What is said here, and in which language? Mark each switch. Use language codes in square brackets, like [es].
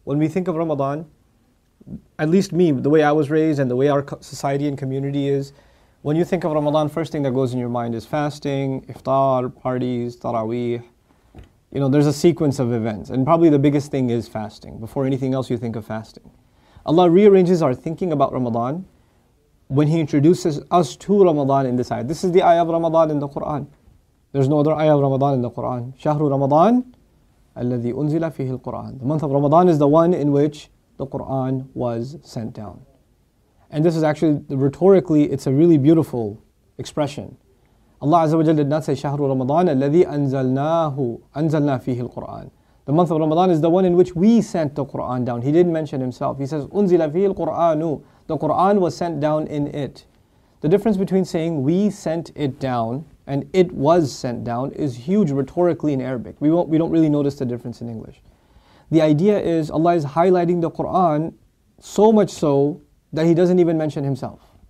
[en] When we think of Ramadan, at least me, the way I was raised and the way our society and community is, when you think of Ramadan, first thing that goes in your mind is fasting, iftar, parties, taraweeh. You know, there's a sequence of events, and probably the biggest thing is fasting. Before anything else, you think of fasting. Allah rearranges our thinking about Ramadan when He introduces us to Ramadan in this ayah. This is the ayah of Ramadan in the Quran. There's no other ayah of Ramadan in the Quran. [ar] شهر رمضان الذي أنزل فيه القرآن. [en] The month of Ramadan is the one in which the Quran was sent down. And this is actually, rhetorically, it's a really beautiful expression. Allah Azza wa Jalla did not say [ar] شهر رمضان الذي أنزلنا فيه القرآن. [en] The month of Ramadan is the one in which we sent the Qur'an down. He didn't mention himself. He says, [ar] أُنزِلَ فِيهِ الْقُرْآنُ. [en] The Qur'an was sent down in it. The difference between saying we sent it down and it was sent down is huge rhetorically in Arabic. We don't really notice the difference in English. The idea is Allah is highlighting the Qur'an so much so that He doesn't even mention Himself.